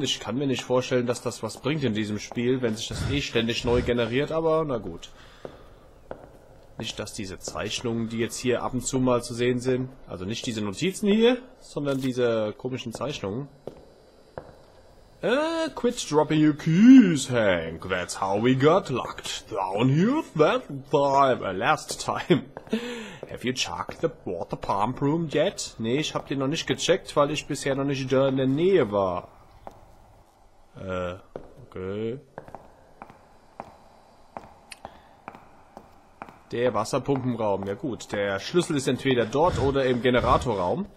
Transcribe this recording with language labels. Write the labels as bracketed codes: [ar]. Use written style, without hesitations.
[de] Ich kann mir nicht vorstellen, dass das was bringt in diesem Spiel, wenn sich das eh ständig neu generiert, aber na gut. Nicht, dass diese Zeichnungen, die jetzt hier ab und zu mal zu sehen sind, also nicht diese Notizen hier, sondern diese komischen Zeichnungen. [en] Quit dropping your keys, Hank. That's how we got locked down here that time. Last time. Have you checked the water pump room yet? [de] Nee, ich hab den noch nicht gecheckt, weil ich bisher noch nicht da in der Nähe war. [en] Okay. [de] Der Wasserpumpenraum, ja gut. Der Schlüssel ist entweder dort oder im Generatorraum.